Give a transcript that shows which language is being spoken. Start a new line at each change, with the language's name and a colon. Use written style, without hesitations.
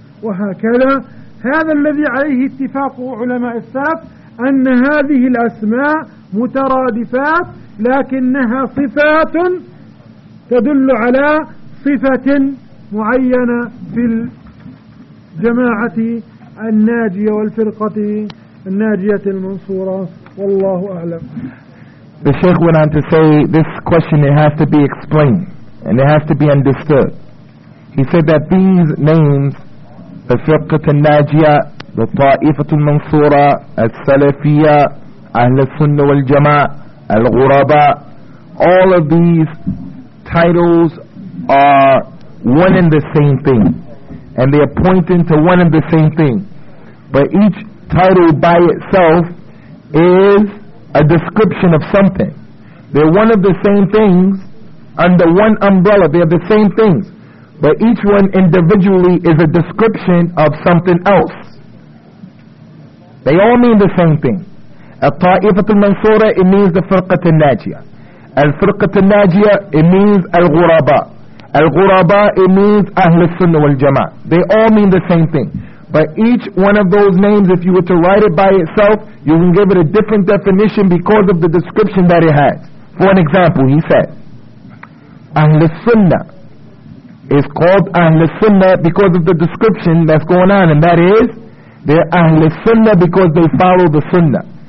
Arabic: وهكذا هذا الذي عليه اتفاق علماء السلف أن هذه الأسماء مترادفات لكنها صفات تدل على صفة معينة في الجماعة الناجية والفرقة الناجية المنصورة، والله أعلم.
English: The Sheikh went on to say this question, it has to be explained and it has to be understood. He said that these names, the فرقة الناجية, the طائفة المنصورة, السلفية, أهل السنة والجماعة, Al-Ghuraba, all of these titles are one and the same thing, and they are pointing to one and the same thing. But each title by itself is a description of something. They're one of the same things under one umbrella. They are the same things, but each one individually is a description of something else. They all mean the same thing.
Arabic: الطائفة المنصورة,
English: it means the
Arabic: فرقة الناجية. الفرقة الناجية,
English: it means
Arabic: الغرباء. الغرباء,
English: it means
Arabic: أهل السنة والجماعة.
English: They all mean the same thing. But each one of those names, if you were to write it by itself, you can give it a different definition because of the description that it has. For an example, he said, أهل السنة is called أهل السنة because of the description that's going on, and that is, they're أهل السنة because they follow the Sunnah.